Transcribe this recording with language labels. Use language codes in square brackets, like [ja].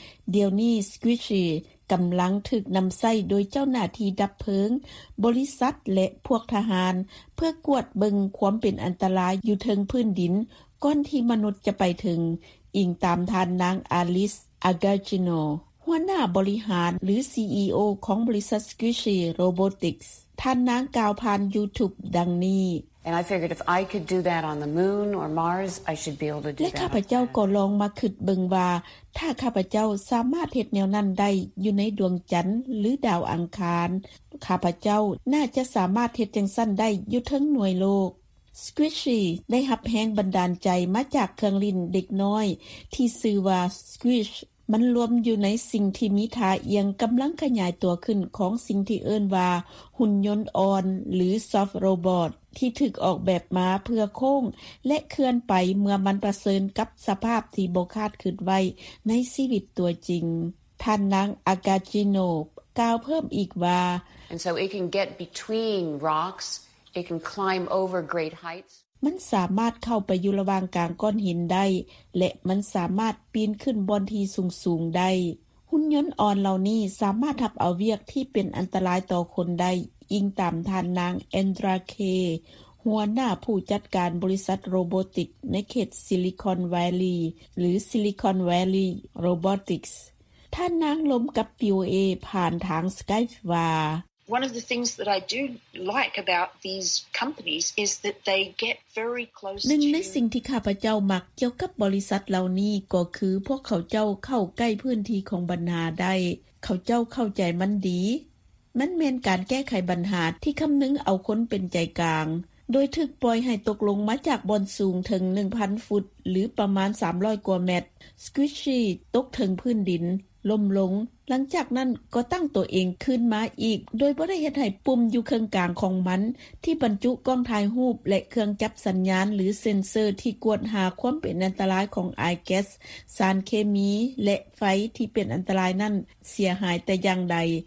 [th] เดี๋ยวนี้ Squishyกำลังถูกนำใส่โดยเจ้าหน้าที่ดับเพลิงบริษัทและพวกทหารเพื่อกวดเบิ่งความเป็นอันตรายอยู่เทิงพื้นดินก่อนที่มนุษย์จะไปถึงอิงตามทานนางอาลิสอากาจิโนหัวหน้าบริหารหรือ CEO ของบริษัท Squishy Robotics ท่านนางกล่าวผ่าน YouTube ดังนี้ [en] And I figured if I could do that on the moon or Mars, I should be able to do that. [th] และข้าพเจ้าก็ลองมาคิดเบิ่งว่าถ้าข้าพเจ้าสามารถเฮ็ดแนวนั้นได้อยู่ในดวงจันทร์หรือดาวอังคารข้าพเจ้าน่าจะสามารถเฮ็ดจังซั่นได้อยู่ทั้งหน่วยโลก Squishy ได้รับแรงบันดาลใจมาจากเครื่องลิ้นเด็กน้อยที่ชื่อว่า Squish มันรวมอยู่ในสิ่งที่มีท่าเอียงกำลังขยายตัวขึ้นของสิ่งที่เอิ้นว่าหุ่นยนต์อ่อนหรือ Soft Robotที่ถูกออกแบบมาเพื่อโค้งและเคลื่อนไปเมื่อมันประเสริญกับสภาพที่บ่คาดคิดไว้ในชีวิตตัวจริงท่านนางอากาจิโนกล่าวเพิ่มอีกว่า [en] And so it can get between rocks it can climb over great heights [th] มันสามารถเข้าไปอยู่ระหว่างกลางก้อนหินได้และมันสามารถปีนขึ้นบนที่สูงๆได้หุ่นยนต์อ่อนเหล่านี้สามารถทับเอาเวียกที่เป็นอันตรายต่อคนได้อิงตามท่านนางแอนดราเคหัวหน้าผู้จัดการบริษัทโรโบติกในเขตซิลิคอนแวลลีย์หรือซิลิคอนแวลลีย์โรโบติกส์ ท่านนางลมกับ VOA ผ่านทาง Skype ว่า [en] One of the things that I do like about these companies is that they get very close to [th] หนึ่งในสิ่งที่ข้าพเจ้ามักเกี่ยวกับบริษัทเหล่านี้ก็คือพวกเขาเจ้าเข้าใกล้พื้นที่ของบรรณาได้เขาเจ้าเข้าใจมันดีมันแม่นการแก้ไขปัญหาที่คํานึงเอาคนเป็นใจกลาง โดยถึกปล่อยให้ตกลงมาจากบนสูงถึง1,000ฟุตหรือประมาณ300กว่าเมตรสควิชชี่ตกถึงพื้นดินล้มลงหลังจากนั้นก็ตั้งตัวเองขึ้นมาอีกโดยบ่ได้เฮ็ดให้ปุ่มอยู่เครื่องกลางของมันที่บรรจุกล้องถ่ายรูปและเครื่องจับสัญญาณหรือเซ็นเซอร์ที่กวดหาความเป็นอันตรายของไอแก๊สสารเคมีและไฟที่เป็นอันตรายนั้นเสียหายแต่อย่างใด